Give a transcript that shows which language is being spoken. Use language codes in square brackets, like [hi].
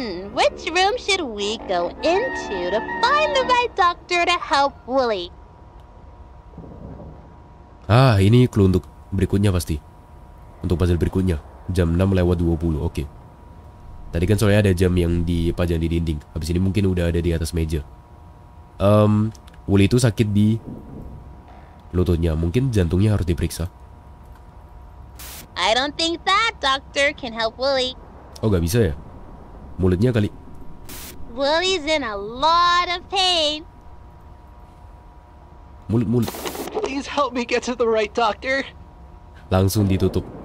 [en] Which room should we go into to find the right doctor to help Wooly? [id] Ah, ini clue untuk berikutnya pasti. Untuk puzzle berikutnya. Jam 6:20, oke. Tadi kan soalnya ada jam yang dipajang di dinding. Habis ini mungkin udah ada di atas meja. Wooly itu sakit di lututnya. Mungkin jantungnya harus diperiksa. [en] I don't think that doctor can help Wooly. [id] Oh, gak bisa ya? Mulutnya kali. [en] Wooly's in a lot of pain. [id] Mulut. [en] Please help me get to the right doctor. [id] Langsung ditutup.